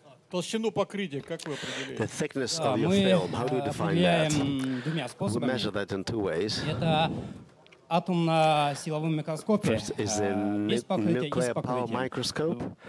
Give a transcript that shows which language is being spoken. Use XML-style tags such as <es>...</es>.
<ru>Толщину покрытия, как вы определяете?</ru> <en>The thickness of your film, how do you define that? We measure that in two ways.</en> <ru>Это атомно-силовом микроскопе, без покрытия, из покрытия.</ru>